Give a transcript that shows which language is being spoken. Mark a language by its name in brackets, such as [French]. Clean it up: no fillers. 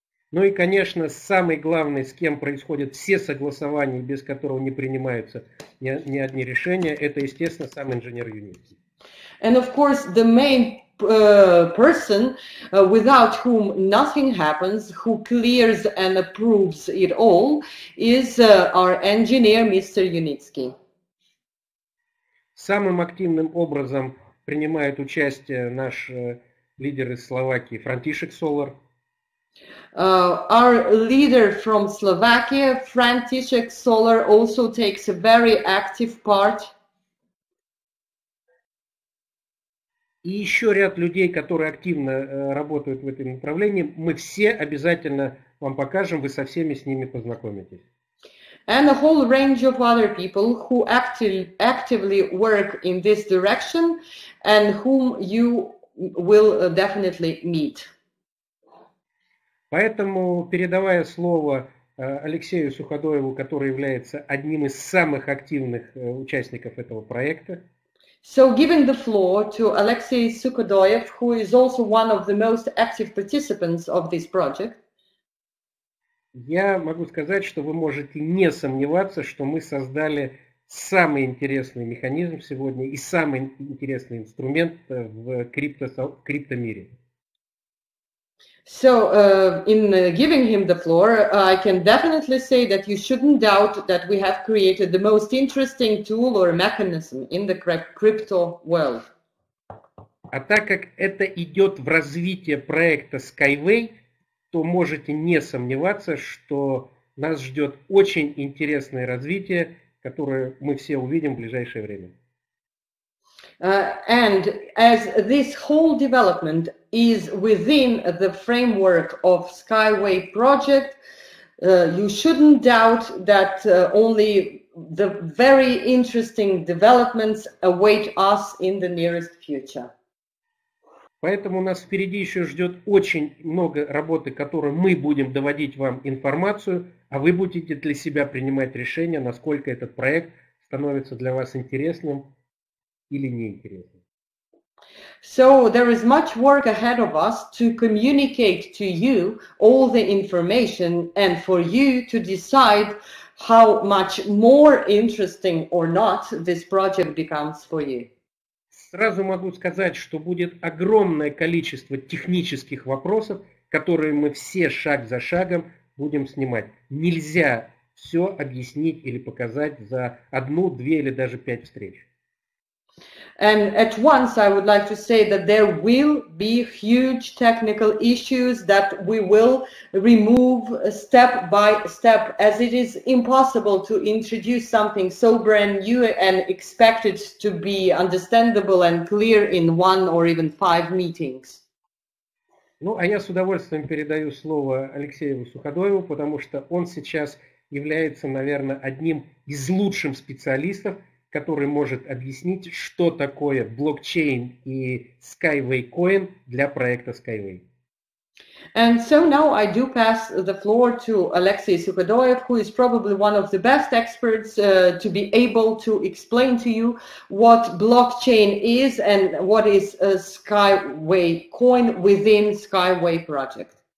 [Russian] Ну и, конечно, самый главный, с кем происходят все согласования, без которого не принимаются ни одни решения, это, естественно, сам инженер Unity. [English] And of course, the main person without whom nothing happens, who clears and approves it all, is our engineer, Mr. Unitsky. [Russian] Самым активным образом принимает участие наш лидер из Словакии, František Solar. [English] Our leader from Slovakia, František Solar, also takes a very active part. [Russian] И еще ряд людей, которые активно работают в этом направлении, мы все обязательно вам покажем, вы со всеми с ними познакомитесь. [English] And a whole range of other people who actively work in this direction and whom you will definitely meet. [Russian] Поэтому, передавая слово Алексею Суходоеву, который является одним из самых активных участников этого проекта, [English] so giving the floor to Alexey Sukhodoyev, who is also one of the most active participants of this project. [Russian] Я могу сказать, что вы можете не сомневаться, что мы создали самый интересный механизм сегодня и самый интересный инструмент в криптомире. [English] So, in giving him the floor, I can definitely say that you shouldn't doubt that we have created the most interesting tool or mechanism in the crypto world. [Russian] А так как это идет в развитие проекта Skyway, то можете не сомневаться, что нас ждет очень интересное развитие, которое мы все увидим в ближайшее время. [English] And as this whole development is within the framework of Skyway project, you shouldn't doubt that only the very interesting developments await us in the nearest future. [Russian] Поэтому нас впереди еще ждет очень много работы, которую мы будем доводить вам информацию, а вы будете для себя принимать решение, насколько этот проект становится для вас интересным или неинтересным. [English] So there is much work ahead of us to communicate to you all the information and for you to decide how much more interesting or not this project becomes for you. [Russian] Сразу могу сказать, что будет огромное количество технических вопросов, которые мы все шаг за шагом будем снимать. Нельзя все объяснить или показать за одну, две или даже пять встреч. [English] And at once I would like to say that there will be huge technical issues that we will remove step by step, as it is impossible to introduce something so brand new and expect it to be understandable and clear in one or even five meetings. [Russian] Ну, а я с удовольствием передаю слово Алексею Суходоеву, потому что он сейчас является, наверное, одним из лучших специалистов, который может объяснить, что такое блокчейн и Skyway Coin для проекта Skyway. [English] And so now I do pass the floor to Alexey Sukhodoyev, who is probably one of the best experts to be able to explain to you what blockchain is and what is a Skyway Coin within Skyway project.